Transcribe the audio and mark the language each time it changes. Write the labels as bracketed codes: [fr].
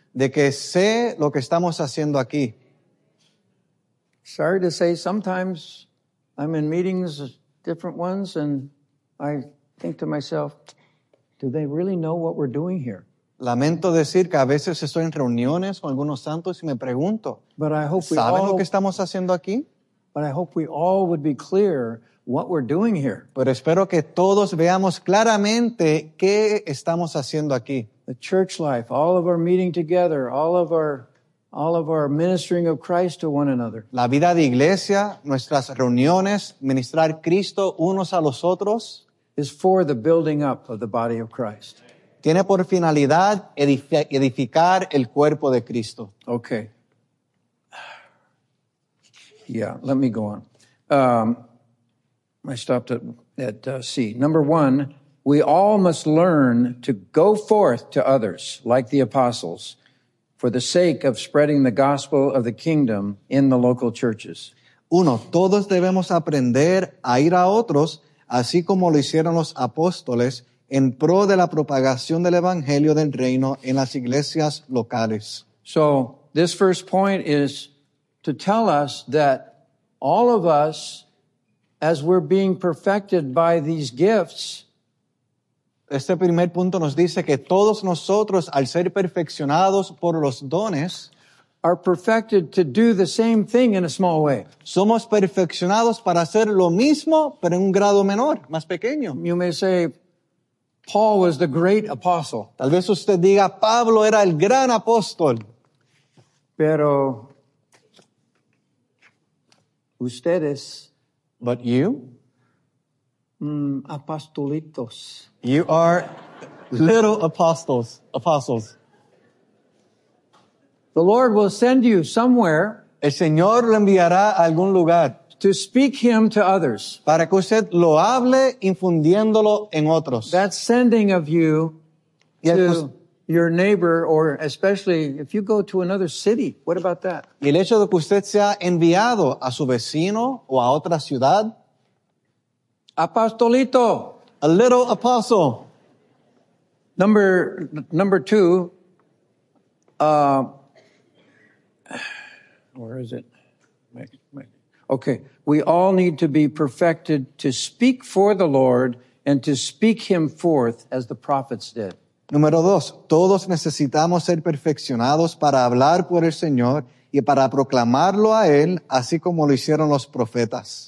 [es] De que sé lo que estamos haciendo aquí. [en] Sorry to say, sometimes I'm in meetings, different ones, and I think to myself, do they really know what we're doing here? [es] Lamento decir que a veces estoy en reuniones con algunos santos y me pregunto, ¿saben lo que estamos haciendo aquí? [en] But I hope we all would be clear what we're doing here. [es] Pero espero que todos veamos claramente qué estamos haciendo aquí. [en] The church life, all of our meeting together, all of our ministering of Christ to one another. [es] La vida de iglesia, nuestras reuniones, ministrar Cristo unos a los otros, [en] is for the building up of the body of Christ. [es] Tiene por finalidad edificar el cuerpo de Cristo. [en] Okay. Yeah, let me go on. I stopped at C. Number one, we all must learn to go forth to others like the apostles, for the sake of spreading the gospel of the kingdom in the local churches. [es] Uno, todos debemos aprender a ir a otros, así como lo hicieron los apóstoles, en pro de la propagación del evangelio del reino en las iglesias locales. [en] So, this first point is to tell us that all of us, as we're being perfected by these gifts, [es] este primer punto nos dice que todos nosotros, al ser perfeccionados por los dones, [en] are perfected to do the same thing in a small way. [es] Somos perfeccionados para hacer lo mismo, pero en un grado menor, más pequeño. [en] You may say, Paul was the great apostle. [es] Tal vez usted diga, Pablo era el gran apóstol. Pero ustedes, [en] but you, [es] apostolitos. [en] You are little apostles. The Lord will send you somewhere. [es] El Señor lo enviará a algún lugar. [en] To speak Him to others. [es] Para que usted lo hable infundiéndolo en otros. [en] That sending of you to your neighbor, or especially if you go to another city. What about that? [es] Y el hecho de que usted sea enviado a su vecino o a otra ciudad. Apostolito. [en] A little apostle. Number two. Where is it? Okay. We all need to be perfected to speak for the Lord and to speak Him forth as the prophets did. [es] Número dos, todos necesitamos ser perfeccionados para hablar por el Señor y para proclamarlo a Él, así como lo hicieron los profetas.